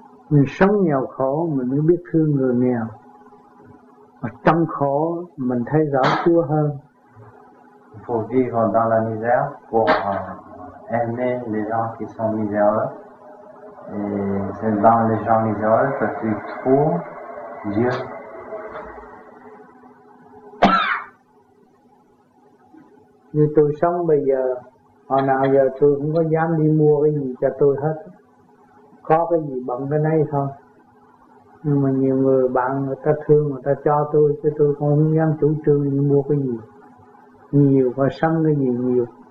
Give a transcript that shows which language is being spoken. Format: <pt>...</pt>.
<vi>Mình sống nghèo khổ, mình mới biết thương người nghèo. Mà trong khổ mình thấy rõ Chúa hơn.</vi> <fr>Il faut vivre dans la misère pour aimer les gens qui sont miséreux. Et c'est dans les gens miséreux que tu trouves Dieu.</fr> <vi>Như tôi sống bây giờ, hồi nào giờ tôi không có dám đi mua cái gì cho tôi hết. Có cái gì bận cái này thôi. Nhưng mà nhiều người bạn người ta thương người ta cho tôi chứ tôi cũng không dám chủ trương đi mua cái gì nhiều và sắm cái gì nhiều.</vi>